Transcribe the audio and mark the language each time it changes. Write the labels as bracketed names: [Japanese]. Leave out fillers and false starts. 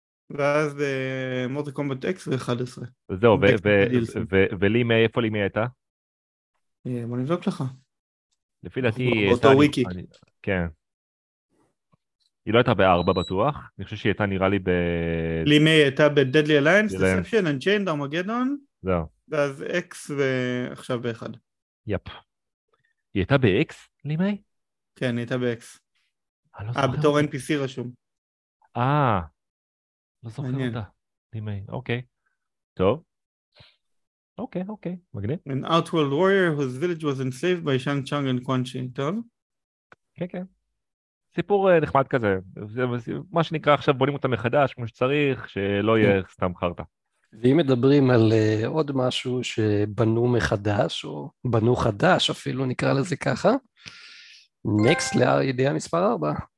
[Hebrew] ואז ב-Mortal Kombat X ו-11. זהו, ולי מאיפה לי מי הייתה? בוא נבדוק לך. לפי דעתי... אותו וויקי. כן. היא לא הייתה ב-4 בטוח, אני חושב שהיא הייתה נראה לי ב... לימי הייתה ב-Deadly Alliance, Deception, Unchained, Armageddon, זהו. ואז X ועכשיו ב-1. יפ. היא הייתה ב-X, לימי? כן, היא הייתה ב-X. בתור NPC רשום. לא זוכר אותה, לימי, אוקיי. טוב. אוקיי, אוקיי, מגניב. [English] An Outworld Warrior whose village was enslaved by Shang Tsung and Quan Chi, [Hebrew] טוב? כן, כן. סיפור נחמד כזה, מה שנקרא עכשיו בונים אותה מחדש כמו שצריך, שלא יהיה סתם חרטה. ואם מדברים על עוד משהו שבנו מחדש, או בנו חדש אפילו נקרא לזה ככה, נקסט לידיעה מספר 4.